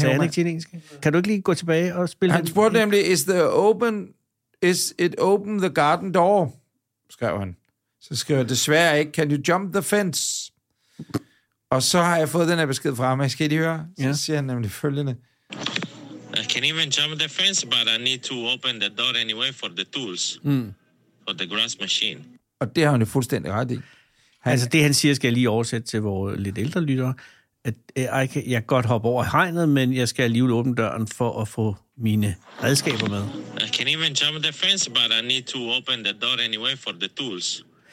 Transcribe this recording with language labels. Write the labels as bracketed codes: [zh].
[da] Sagde han ikke chilenske? Kan du ikke lige gå tilbage og spille... Han spurgte nemlig, [en] is it open the garden door? [da] Skrev han. Så skriver jeg, desværre ikke, [en] can you jump the fence? [da] Og så har jeg fået den her besked fra ham, skal I høre? Så siger han nemlig følgende. [en] I can even jump the fence, but I need to open the door anyway for the tools. Mm. For the grass machine. [da] Og det har han jo fuldstændig ret i. Altså det, han siger, skal jeg lige oversætte til vores lidt ældre lyttere, at jeg godt hoppe over hegnet, men jeg skal alligevel åbne døren for at få mine redskaber med. [en] I can even jump the fence, but I need to open the door anyway for the tools.